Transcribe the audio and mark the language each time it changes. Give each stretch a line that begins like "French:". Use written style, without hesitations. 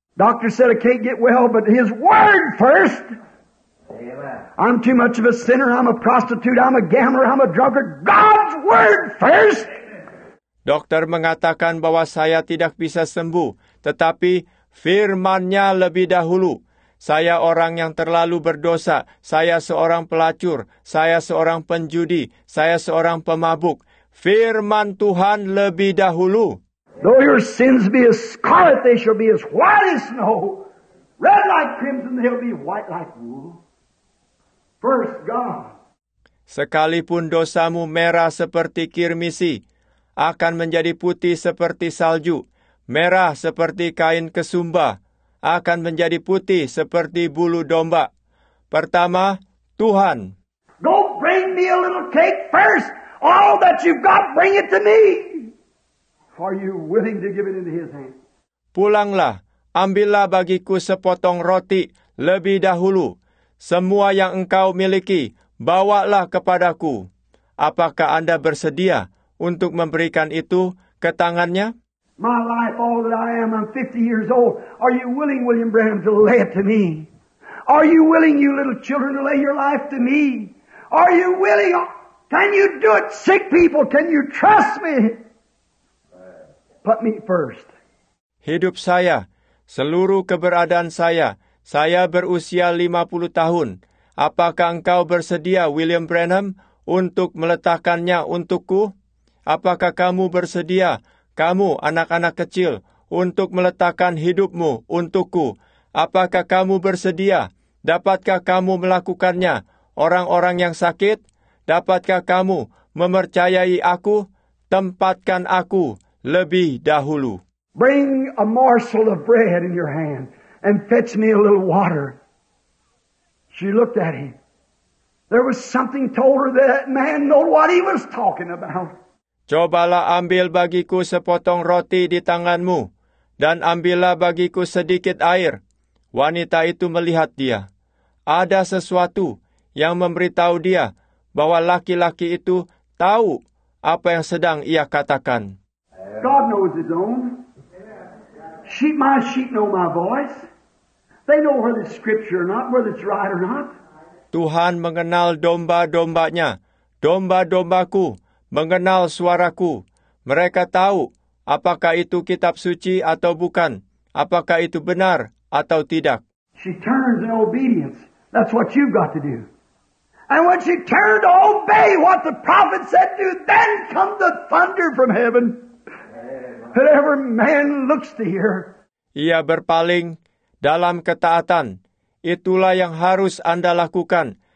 English: Doctor said I can't get well, but his word first. Amen. I'm too much of a sinner, I'm a prostitute, I'm a gambler, I'm a drunkard. God's word first!
Indonesian: Dokter mengatakan bahwa saya tidak bisa sembuh, tetapi firman-Nya lebih dahulu. Saya orang yang terlalu berdosa, saya seorang pelacur, saya seorang penjudi, saya seorang pemabuk. Firman Tuhan lebih dahulu.
English: Though your sins be as scarlet, they shall be as white as snow. Red like crimson, they'll be white like wool. First God.
Indonesian: Sekalipun dosamu merah seperti kirmisi, akan menjadi putih seperti salju, merah seperti kain kesumba, akan menjadi putih seperti bulu domba. Pertama, Tuhan.
English: Go bring me a little cake first. All that you've got, bring it to me. Are you willing to give it into his hand?
Indonesian: Pulanglah, ambillah bagiku sepotong roti lebih dahulu. Semua yang engkau miliki, bawalah kepadaku. Apakah anda bersedia untuk memberikan itu ke tangannya?
English: My life, all that I am, I'm 50 years old. Are you willing, William Branham, to lay it to me? Are you willing, you little children, to lay your life to me? Are you willing? Can you do it, sick people? Can you trust me? Put me first.
Indonesian: Hidup saya, seluruh keberadaan saya, saya berusia 50 tahun. Apakah engkau bersedia, William Branham, untuk meletakkannya untukku? Apakah kamu bersedia, kamu anak-anak kecil, untuk meletakkan hidupmu untukku? Apakah kamu bersedia? Dapatkah kamu melakukannya, orang-orang yang sakit? Dapatkah kamu mempercayai aku? Tempatkan aku lebih dahulu.
English: Bring a morsel of bread in your hand. And fetch me a little water. She looked at him. There was something told her that man knew what he was talking about.
Indonesian: Cobalah ambil bagiku sepotong roti di tanganmu, dan ambillah bagiku sedikit air. Wanita itu melihat dia. Ada sesuatu yang memberitahu dia bahwa laki-laki itu tahu apa yang sedang ia katakan.
English: God knows his own. Sheep, my sheep know my voice. They know whether it's scripture or not, whether it's right or not.
Indonesian: Tuhan mengenal domba-dombanya. Domba-dombaku mengenal suaraku. Mereka tahu apakah itu kitab suci atau bukan. Apakah itu benar atau tidak.
English: She turns in obedience. That's what you've got to do. And when she turned to obey what the prophet said to, then come the thunder from heaven. That every man looks to hear.
Indonesian: Ia berpaling dalam ketaatan. Itulah yang harus Anda lakukan.